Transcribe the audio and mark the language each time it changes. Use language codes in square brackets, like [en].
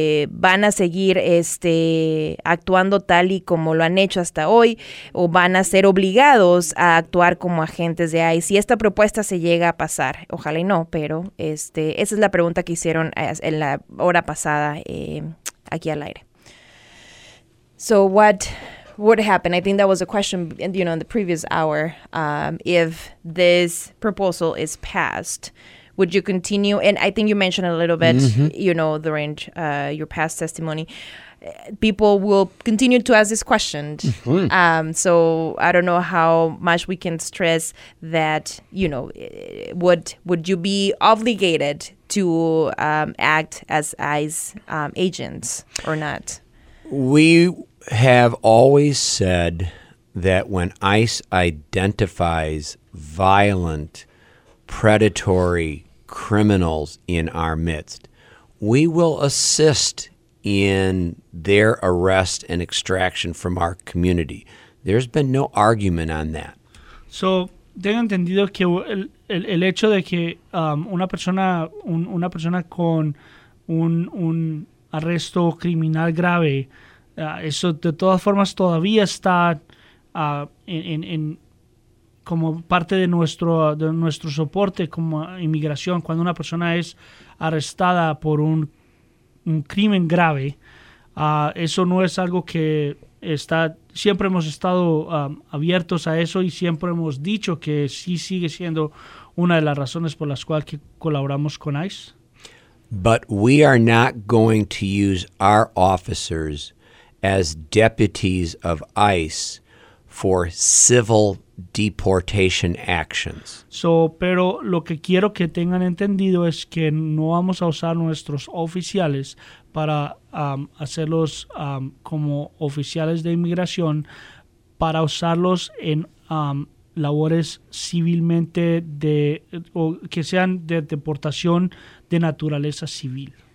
[es] ¿Van a seguir actuando tal y como lo han hecho hasta hoy, o van a ser obligados a actuar como agentes de ICE si esta propuesta se llega a pasar? Ojalá y no, pero esa es la pregunta que hicieron en la hora pasada aquí al aire. [en] So what happened? I think that was a question, you know, in the previous hour. If this proposal is passed, would you continue? And I think you mentioned a little bit, you know, during your past testimony, people will continue to ask this question. So I don't know how much we can stress that, you know, would you be obligated to act as ICE agents or not? We have always said that when ICE identifies violent, predatory criminals in our midst, we will assist in their arrest and extraction from our community. There's been no argument on that. [es] So, tengo entendido que el hecho de que una persona con un arresto criminal grave, eso de todas formas todavía está en como parte de nuestro soporte como inmigración. Cuando una persona es arrestada por un crimen grave, eso no es algo que está, siempre hemos estado abiertos a eso, y siempre hemos dicho que sí sigue siendo una de las razones por las cuales que colaboramos con ICE. [en] But we are not going to use our officers as deputies of ICE for civil deportation actions. [es] So, pero lo que quiero que tengan entendido es que no vamos a usar nuestros oficiales para hacerlos como oficiales de inmigración, para usarlos en labores civilmente de, o que sean de deportación de naturaleza civil.